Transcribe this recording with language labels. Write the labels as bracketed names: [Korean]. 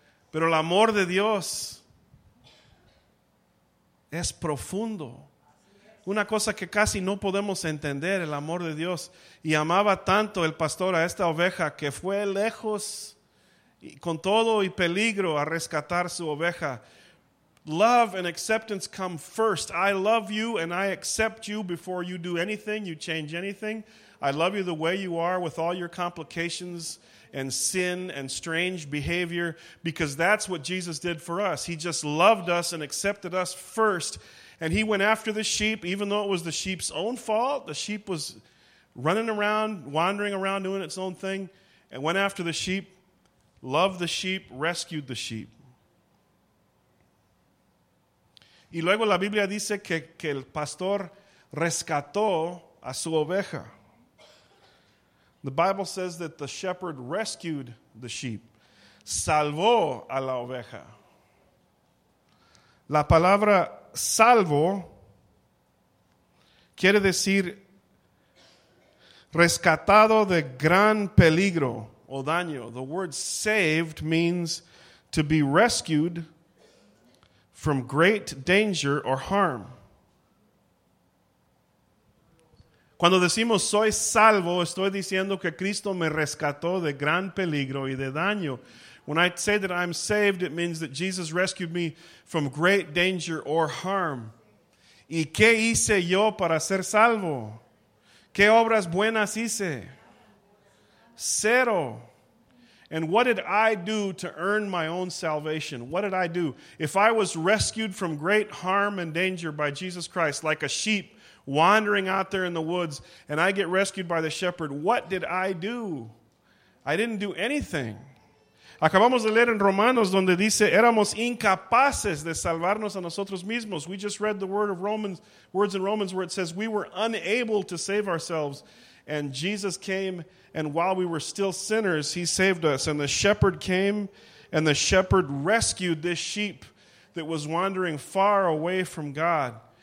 [Spanish] Pero el amor de Dios es profundo. Una cosa que casi no podemos entender, el amor de Dios. Y amaba tanto el pastor a esta oveja que fue lejos y con todo y peligro a rescatar su oveja. [English] Love and acceptance come first. I love you and I accept you before you do anything, you change anything. I love you the way you are with all your complications and sin and strange behavior, because that's what Jesus did for us. He just loved us and accepted us first. And he went after the sheep, even though it was the sheep's own fault. The sheep was running around, wandering around, doing its own thing. And went after the sheep, loved the sheep, rescued the sheep. [Spanish] Y luego la Biblia dice que el pastor rescató a su oveja. [English] The Bible says that the shepherd rescued the sheep, [Spanish] salvó a la oveja. La palabra salvo quiere decir rescatado de gran peligro o daño. [English] The word saved means to be rescued from great danger or harm. [Spanish] Cuando decimos soy salvo, estoy diciendo que Cristo me rescató de gran peligro y de daño. [English] When I say that I'm saved, it means that Jesus rescued me from great danger or harm. [Spanish] ¿Y qué hice yo para ser salvo? ¿Qué obras buenas hice? Cero. [English] And what did I do to earn my own salvation? What did I do? If I was rescued from great harm and danger by Jesus Christ, like a sheep wandering out there in the woods, and I get rescued by the shepherd, what did I do? I didn't do anything. [Spanish] Acabamos de leer en Romanos donde dice, éramos incapaces de salvarnos a nosotros mismos. [English] We just read the words in Romans where it says, we were unable to save ourselves. And Jesus came, and while we were still sinners, he saved us. And the shepherd came, and the shepherd rescued this sheep that was wandering far away from God.